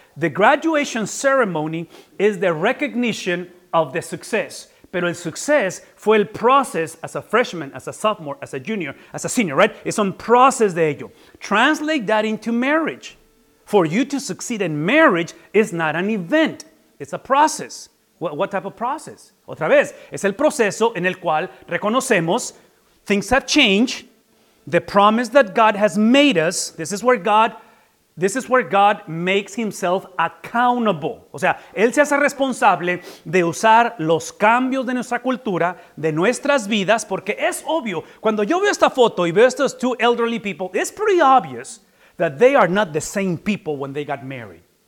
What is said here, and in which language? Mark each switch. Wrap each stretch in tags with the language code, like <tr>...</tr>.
<en>The graduation ceremony is the recognition of the success.</en> <es>Pero el success fue el</es> <en>process as a freshman, as a sophomore, as a junior, as a senior, right?</en> <es>Es un process de ello.</es> <en>Translate that into marriage. For you to succeed in marriage is not an event. It's a process. What type of process?</en> <es>Otra vez, es el proceso en el cual reconocemos</es> <en>things have changed. The promise that God has made us, this is where God makes himself accountable.</en> <es>O sea, él se hace responsable de usar los cambios de nuestra cultura, de nuestras vidas, porque es obvio, cuando yo veo esta foto y veo estos</es> <en>two elderly people, it's pretty obvious that they are not the same people when they got married.</en>